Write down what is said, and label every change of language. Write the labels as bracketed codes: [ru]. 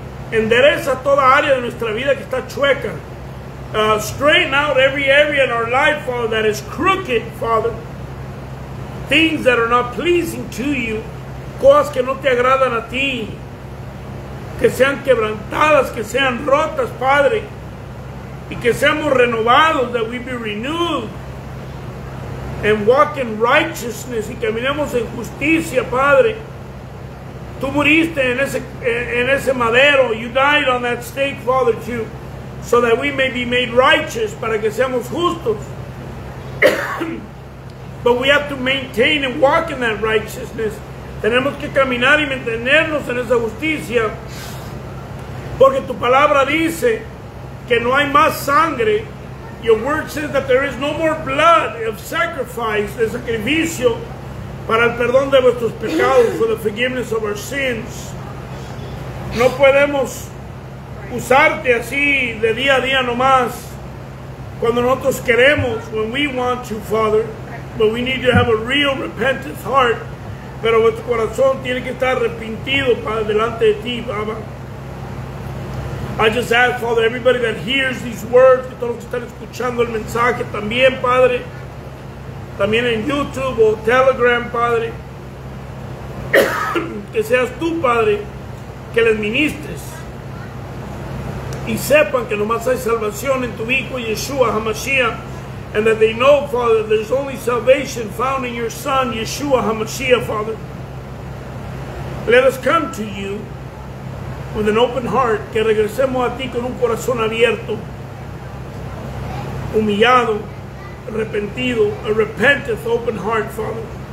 [es] Endereza toda área de nuestra vida que está chueca. [en] Straighten out every area in our life, Father, that is crooked, Father. Things that are not pleasing to you. [es] Cosas que no te agradan a ti, que sean quebrantadas, que sean rotas, Padre, y que seamos renovados, [en] that we be renewed, and walk in righteousness, [es] y caminemos en justicia, Padre. Tú muriste en ese madero, [en] you died on that stake, Father, too, so that we may be made righteous, [es] para que seamos justos. [en] But we have to maintain and walk in that righteousness. [es] Tenemos que caminar y mantenernos en esa justicia, porque tu palabra dice que no hay más sangre. [en] Your word says that there is no more blood of sacrifice, [es] de sacrificio, para el perdón de vuestros pecados, [en] for the forgiveness of our sins. [es] No podemos usarte así de día a día nomás, cuando nosotros queremos, [en] when we want to, Father, but we need to have a real repentant heart. [es] Pero vuestro corazón tiene que estar arrepentido para delante de ti, Baba. [en] I just ask, Father, everybody that hears these words, [es] que todos están escuchando el mensaje también, Padre. También en YouTube o Telegram, Padre. Que seas tú, Padre, que les ministres. Y sepan que nomás hay salvación en tu Hijo, Yeshua HaMashiach. [en] And that they know, Father, there's only salvation found in your Son, Yeshua HaMashiach, Father. Let us come to you with an open heart. [es] Que regresemos a ti con un corazón abierto, humillado, arrepentido, [en] a repentant open heart, [es] Father.